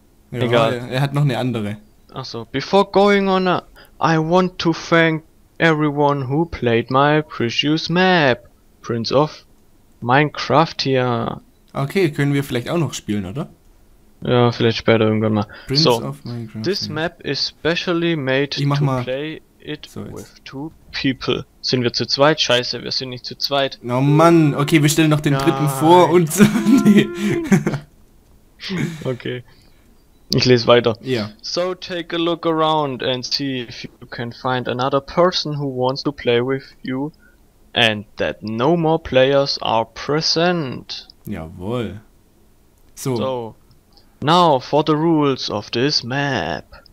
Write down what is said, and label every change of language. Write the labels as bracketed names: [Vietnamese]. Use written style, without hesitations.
[German] Ja, egal. Er hat noch eine andere. Ach so. [English] Before going on, I want to thank everyone who played my precious map. [German] Prince of Minecraft hier. Okay, können wir vielleicht auch noch spielen, oder? Ja, vielleicht später irgendwann mal. Prince of Minecraft. [English] This map is specially made to play it with two people. [German] Sind wir zu zweit? Scheiße, wir sind nicht zu zweit. Oh Mann, okay, wir stellen noch den dritten vor und so. Nee. Okay. Ich lese weiter. Ja. [English] So take a look around and see if you can find another person who wants to play with you. And that no more players are present. [German] Jawohl. [English] So. Now for the rules of this map.